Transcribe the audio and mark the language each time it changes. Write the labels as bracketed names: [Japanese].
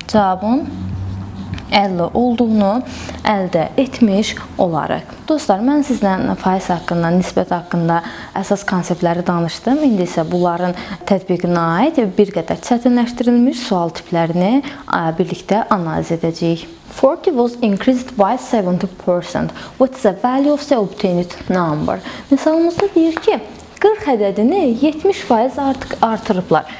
[Azerbaijani] Cavabın 50 olduğunu əldə etmiş olarıq. Dostlar, mən sizlə faiz haqqında, nisbət haqqında əsas konseptləri danışdım. İndi isə bunların tətbiqinə aid bir qədər çətinləşdirilmiş sual tiplərini birlikdə analiz edəcəyik. [English] 40 was increased by 70%. What is the value of the obtained number? [Azerbaijani] Misalımızda deyir ki, 40 ədədini 70% artıq artırıblar.